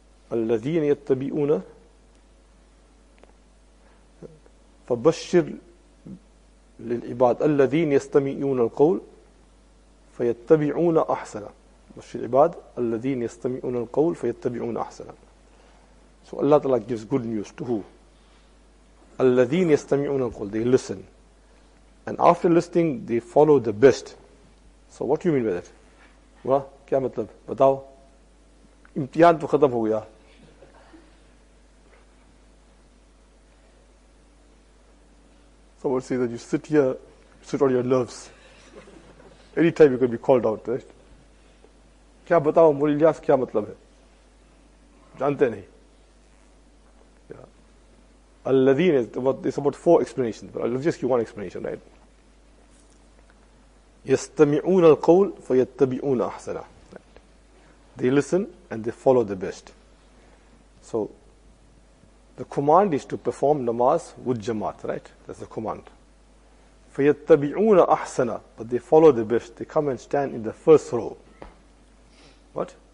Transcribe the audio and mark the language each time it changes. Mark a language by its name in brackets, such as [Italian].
[Arabic] الَّذِينَ يَتَّبِعُونَ فَبَشِّرْ لِلْعِبَادِ الَّذِينَ يَسْتَمِعُونَ الْقَوْلِ فَيَتَّبِعُونَ أَحْسَنًا بَشِّرْ عِبَادِ الَّذِينَ يَسْتَمِعُونَ الْقَوْلِ فَيَتَّبِعُونَ أَحْسَنًا. [English] So Allah Ta'ala gives good news to who? [Arabic] الَّذِينَ يَسْتَمِعُونَ الْقَوْلِ, [English] they listen. And after listening, they follow the best. So what do you mean by that? [Urdu] What? Kya matlab? Batao. Imtihan to khatam ho gaya. [English] Someone says that you sit here, sit on your nerves. Anytime you can be called out, right? [Urdu] Kya batao, Mauli Ilyas, kya matlab hai? Jante nahi. [English] Al-Ladin is, there's about four explanations, but I'll just give one explanation, right? [Arabic] يستمعون القول فيتبعون أحسنه. [English] They listen and they follow the best. So, the command is to perform namaz with jamaat, right? That's the command. [Arabic] فيتبعون أحسنه, [English] but they follow the best. They come and stand in the first row. What?